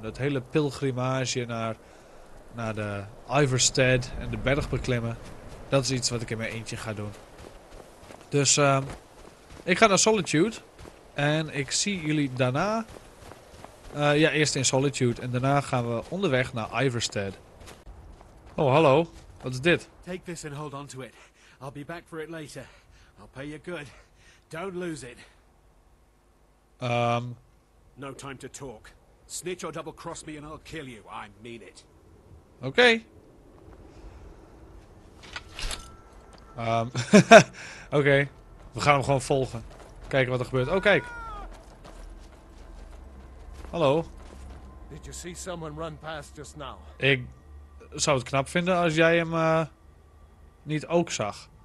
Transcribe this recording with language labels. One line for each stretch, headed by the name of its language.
Dutch: Dat hele pilgrimage naar de Iverstead en de berg beklimmen. Dat is iets wat ik in mijn eentje ga doen. Dus ik ga naar Solitude. En ik zie jullie daarna... eerst in Solitude. En daarna gaan we onderweg naar Iverstead. Oh, hallo. Wat is dit?
English: Take this and hold on to it. I'll be back for it later. I'll pay you good. Don't lose it. No time to talk. Snitch or double cross me and I'll kill you. I mean it.
Dutch: Oké. Oké. We gaan hem gewoon volgen. Kijken wat er gebeurt. Oh, kijk. Hallo.
English: Did you see someone run past just now?
Dutch: Ik zou het knap vinden als jij hem niet ook zag.